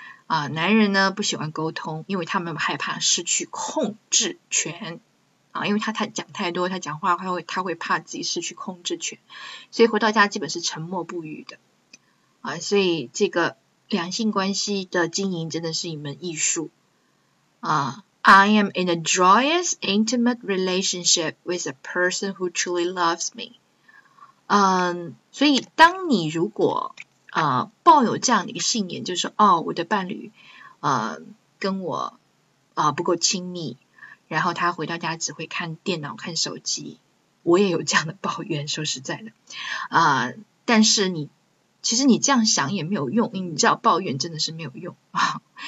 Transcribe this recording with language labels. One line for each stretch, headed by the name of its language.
Chinese: 啊，男人呢不喜欢沟通，因为他们害怕失去控制权啊，因为他讲太多，他讲话他会怕自己失去控制权，所以回到家基本是沉默不语的啊，所以这个两性关系的经营真的是一门艺术啊。
English: I am in a joyous intimate relationship with a person who truly loves me。
Chinese: 所以当你如果抱有这样的一个信念，就是说，哦，我的伴侣，跟我，不够亲密，然后他回到家只会看电脑、看手机。我也有这样的抱怨，说实在的，但是其实你这样想也没有用，你知道抱怨真的是没有用啊。